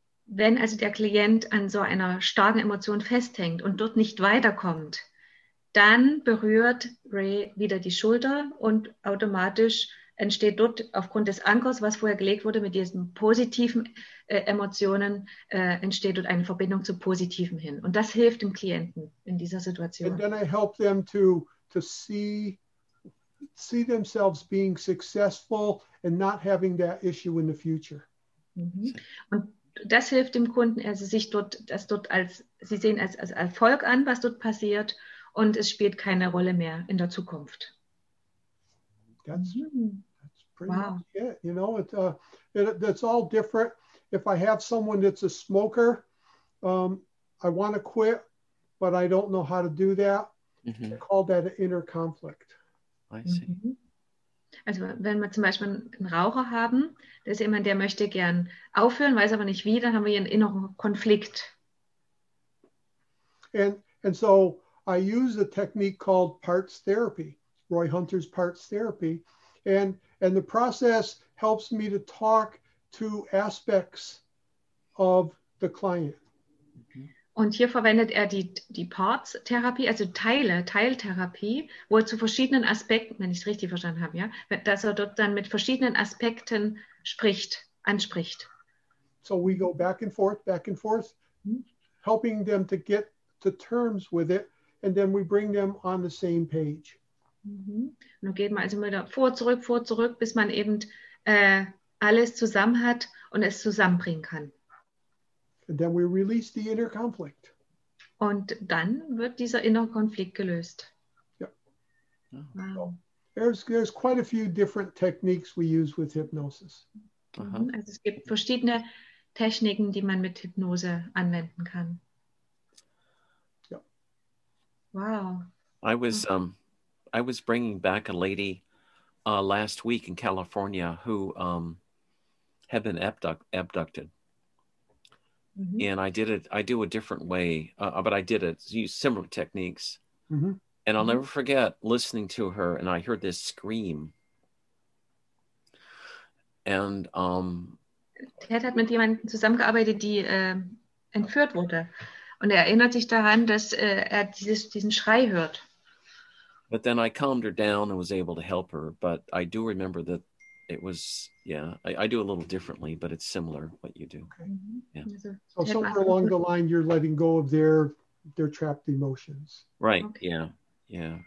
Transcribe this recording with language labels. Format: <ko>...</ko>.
<de>Wenn also der Klient an so einer starken Emotion festhängt und dort nicht weiterkommt, dann berührt Ray wieder die Schulter und automatisch entsteht dort aufgrund des Ankers, was vorher gelegt wurde, mit diesen positiven Emotionen, entsteht dort eine Verbindung zu Positiven hin. Und das hilft dem Klienten in dieser Situation.</de> <en>And then I help them to see themselves being successful and not having that issue in the future.</en> <de>Und das hilft dem Kunden, also sich dort, das dort als, sie sehen als Erfolg an, was dort passiert, und es spielt keine Rolle mehr in der Zukunft.</de> <en>That's pretty much it. You know, it's all different. If I have someone that's a smoker, I want to quit, but I don't know how to do that. Mm-hmm. I call that an inner conflict. I see. Mm-hmm.</en> <de>Also wenn wir zum Beispiel einen Raucher haben, das ist jemand, der möchte gern aufhören, weiß aber nicht wie, dann haben wir hier einen inneren Konflikt.</de> <en>And so I use a technique called parts therapy. Roy Hunter's parts therapy, and the process helps me to talk to aspects of the client.</en> <de>Und hier verwendet die parts Therapie, also Teiltherapie, wo er zu verschiedenen Aspekten, wenn ich es richtig verstanden habe, ja, dass er dort dann mit verschiedenen Aspekten anspricht.</de> <en>So we go back and forth, helping them to get to terms with it, and then we bring them on the same page. Mhm.</en> <de>Nun geht man also wieder vor, zurück, bis man eben alles zusammen hat und es zusammenbringen kann.</de> <en>And then we release the inner conflict.</en> <de>Und dann wird dieser innere Konflikt gelöst.</de> <en>Yeah. Wow. There's quite a few different techniques we use with hypnosis. Mhm.</en> <de>Also es gibt verschiedene Techniken, die man mit Hypnose anwenden kann.</de> <en>Yeah. Wow. I was bringing back a lady last week in California who had been abducted. Mm-hmm. And I do a different way, but I did it, use similar techniques. Mm-hmm. And I'll never forget listening to her, and I heard this scream. And</en> <de>Ted hat mit jemandem zusammengearbeitet, die entführt wurde. Und erinnert sich daran, dass diesen Schrei hört.</de> <en>But then I calmed her down and was able to help her. But I do remember that it was, yeah, I do a little differently, but it's similar what you do. Okay. Yeah. So somewhere along the line, you're letting go of their trapped emotions. Right, okay. Yeah.</en>